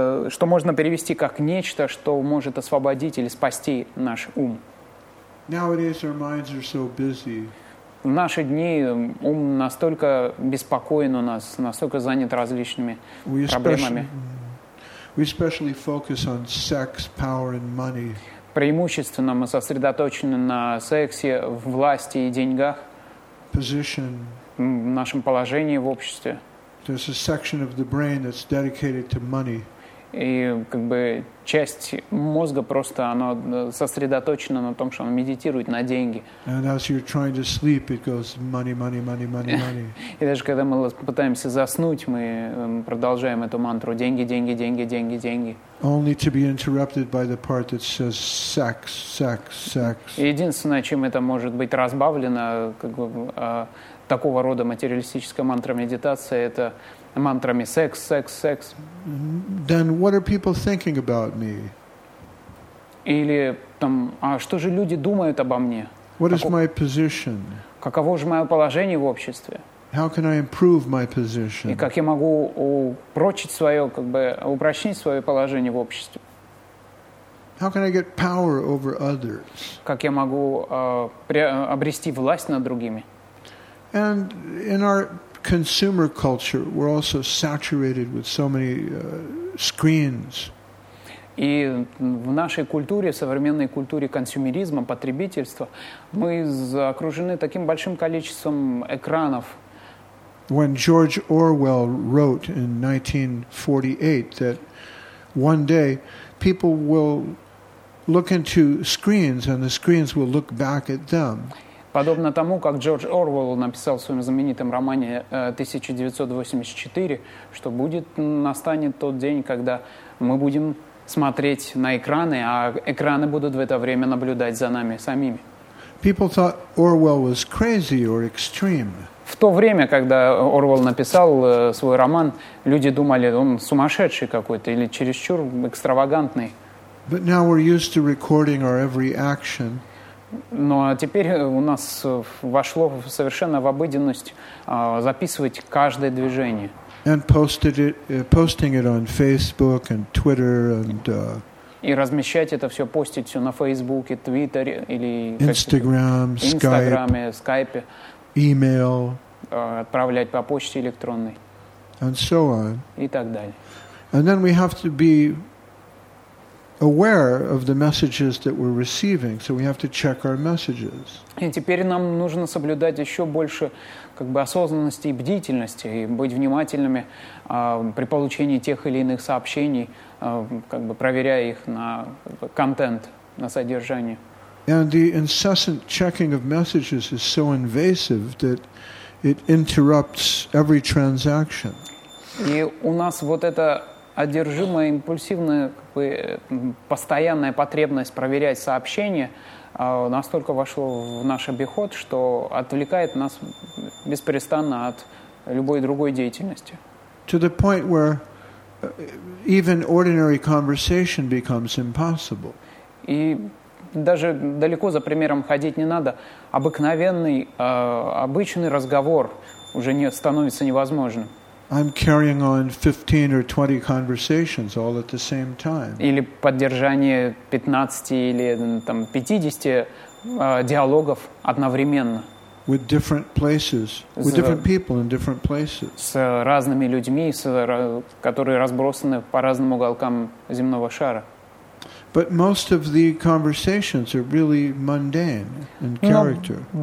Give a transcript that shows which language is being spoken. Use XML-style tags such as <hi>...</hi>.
<ru>Что можно перевести как нечто, что может освободить или спасти наш ум.</ru> <en>Nowadays our minds are so busy.</en> <ru>В наши дни ум настолько беспокоен у нас, настолько занят различными проблемами.</ru> <en>We especially focus on sex, power and money.</en> <ru>Преимущественно мы сосредоточены на сексе, власти и деньгах.</ru> <en>Position.</en> <ru>В нашем положении в обществе.</ru> <en>There's a section of the brain that's dedicated to money.</en> <ru>И как бы часть мозга просто оно сосредоточено на том, что он медитирует на деньги.</ru> <en>Sleep, money, money, money, money, money.</en> <ru>И даже когда мы пытаемся заснуть, мы продолжаем эту мантру: деньги, деньги, деньги, деньги, деньги.</ru> <en>Only to be interrupted by the part that says sex, sex, sex.</en> <ru>Единственное, чем это может быть разбавлено, как бы такого рода материалистическая мантра медитация, это мантрами секс, секс, секс.</ru> <en>Then what are people thinking about me?</en> <ru>Или там, а что же люди думают обо мне?</ru> <en>What is my position?</en> <ru>Каково же мое положение в обществе?</ru> <en>How can I improve my position?</en> <ru>И как я могу упрочить свое, как бы упрочнить свое положение в обществе?</ru> <en>How can I get power over others?</en> <ru>Как я могу обрести власть над другими?</ru> <en>And in our consumer culture, we're also saturated with so many screens.</en> <ru>И в нашей культуре, современной культуре консюмеризма, потребительства, мы окружены таким большим количеством экранов.</ru> <en>When George Orwell wrote in 1948 that one day people will look into screens and the screens will look back at them.</en> <ru>Подобно тому, как Джордж Орвелл написал в своем знаменитом романе 1984, что будет, настанет тот день, когда мы будем смотреть на экраны, а экраны будут в это время наблюдать за нами самими.</ru> <en>People thought Orwell was crazy or extreme.</en> <ru>В то время, когда Орвелл написал свой роман, люди думали, он сумасшедший какой-то или чересчур экстравагантный.</ru> <en>But now we're used to recording our every action.</en> <ru>Но теперь у нас вошло совершенно в обыденность записывать каждое движение.</ru> <en>And posting it on Facebook and Twitter and</en> <ru>и размещать это все, постить все на Фейсбуке, Твиттере или</ru> <en>Instagram,</en> <ru>Инстаграме, Скайпе,</ru> <en>email,</en> <ru>отправлять по почте электронной.</ru> <en>And so on.</en> <ru>И так далее.</ru> <en>And then we have to be aware of the messages that we're receiving, so we have to check our messages.</en> <ru>И теперь нам нужно соблюдать еще больше, как бы, осознанности и бдительности, и быть внимательными при получении тех или иных сообщений, как бы проверяя их на контент, на содержание.</ru> <en>And the incessant checking of messages is so invasive that it interrupts every transaction.</en> <ru>И у нас вот это одержимая, импульсивная, как бы, постоянная потребность проверять сообщения настолько вошло в наш обиход, что отвлекает нас беспрестанно от любой другой деятельности.</ru> <en>To the point where even ordinary conversation becomes impossible.</en> <ru>И даже далеко за примером ходить не надо. Обыкновенный, обычный разговор уже не становится невозможным.</ru> <en>I'm carrying on 15 or 20 conversations all at the same time.</en> <ru>Или поддержание 15 или там 50 диалогов одновременно.</ru> <en>With different places, with different people in different places.</en> <ru>С разными людьми, которые разбросаны по разным уголкам земного шара.</ru> <en>But most of the conversations are really mundane in character.</en>